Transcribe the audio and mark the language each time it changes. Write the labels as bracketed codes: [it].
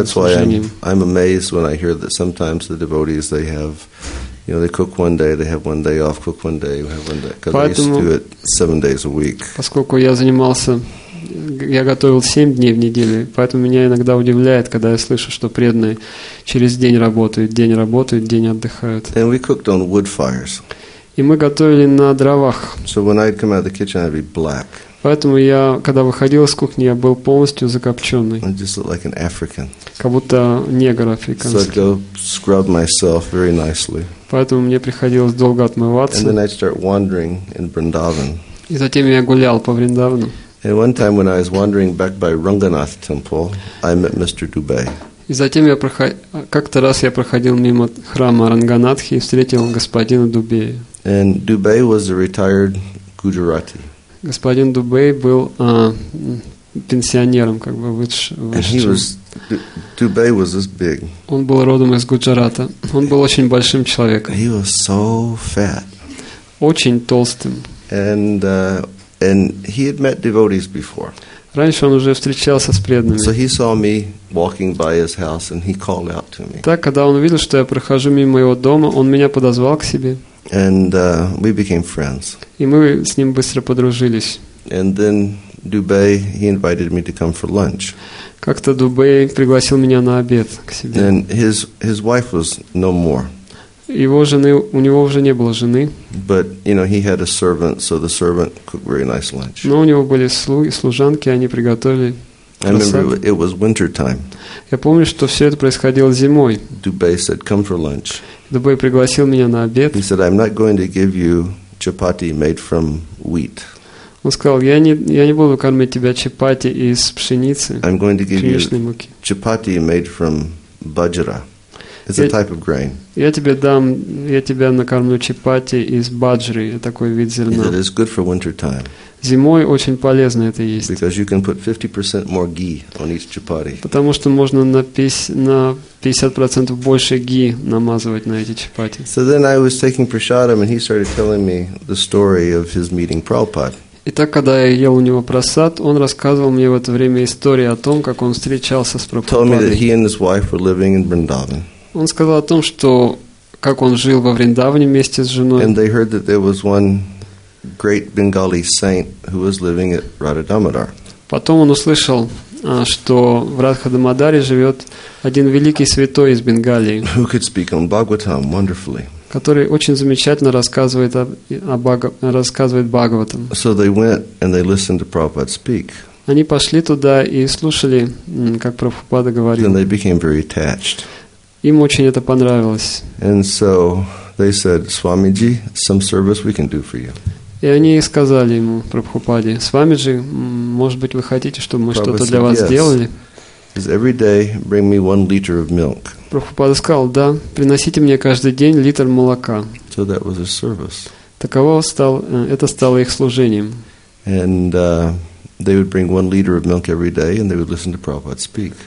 [en] That's [ru] служением. [en] That's why I'm amazed when I hear that sometimes the devotees, they have, you know, they cook one day, they have one day off, cook one day, have one day. Because I used to do it 7 days a week. [ru] Поскольку я готовил 7 дней в неделю, поэтому меня иногда удивляет, когда я слышу, что преданные через день работают, день отдыхают. [en] And we cooked on wood fires. [ru] И мы готовили на дровах. [en] So when I'd come out of the kitchen, I'd be black. [ru] Поэтому я, когда выходил из кухни, я был полностью закопченный. [en] I just look like an African. [ru] Как будто негр африканский. [en] So I'd go scrub myself very nicely. [ru] Поэтому мне приходилось долго отмываться. [en] And then I'd start wandering in Vrindavan. [ru] И затем я гулял по Вриндавану. [en] And one time when I was wandering back by Ranganath Temple, I met Mr. Dubey. [ru] И затем как-то раз я проходил мимо храма Ранганатхи и встретил господина Дубея. [en] And Dubey was a retired Gujarati. [ru] Господин Дубей был пенсионером, как бы вышедшим. [en] Dubey was this big. [ru] Он был родом из Гуджарата. Он был очень большим человеком. [en] He was so fat. [ru] Очень толстым. [en] And he had met devotees before. [ru] Раньше он уже встречался с преданными. [en] So he saw me walking by his house, and he called out to me. [ru] Так, когда он увидел, что я прохожу мимо его дома, он меня подозвал к себе. [en] And we became friends. [ru] И мы с ним быстро подружились. [en] And then Dubey, he invited me to come for lunch. [ru] Как-то Дубей пригласил меня на обед к себе. [en] And his wife was no more. [ru] У него уже не было жены. [en] But, you know, he had a servant, so the servant cooked very nice lunch. [ru] Но у него были служанки, они приготовили. [en] I remember it was winter time. [ru] Я помню, что все это происходило зимой. [en] Dubey said, "Come for lunch." [ru] Дубей пригласил меня на обед. [en] He said, "I'm not going to give you chapati made from wheat." [ru] Он сказал: я не буду кормить тебя чапати из пшеницы, [en] I'm going to give [ru] пшеничной [en] you [ru] муки. [en] Chapati made from bajra. It's a type of grain. [ru] Я тебя накормлю чапати из баджры, такой вид зерна. [en] It is good for winter time. [ru] Зимой очень полезно это есть. [en] Because you can put 50% more ghee on each chapati. [ru] Потому что можно на 50% больше ги намазывать на эти чапати. [en] So then I was taking prasadam and he started telling me the story of his meeting Prabhupada. [ru] Итак, когда я ел у него просад, он рассказывал мне в это время историю о том, как он встречался с Прабхупадой. Он сказал о том, что как он жил во Вриндаване вместе с женой. [en] And they heard that there was one great Bengali saint who was living at Radhadamodar. [ru] Потом он услышал, что в Радхадамодаре живет один великий святой из Бенгалии. [en] Who could speak on Bhagavatam wonderfully. [ru] Который очень замечательно рассказывает Бхагаватам. [en] So they went and they listened to Prabhupada speak. [ru] Они пошли туда и слушали, как Прабхупада говорил. [en] Then they became very attached. [ru] Им очень это понравилось. [en] And so they said, Swamiji, some service we can do for you. [ru] И они сказали ему, Прабхупаде, Свамиджи, может быть, вы хотите, чтобы мы что-то для вас сделали? [en] Every day bring me 1 liter of milk. [ru] Прабхупада сказал, да, приносите мне каждый день литр молока. [en] So that was his service. [ru] Это стало их служением. [en] And they would bring 1 liter of milk every day, and they would listen to Prabhupada speak.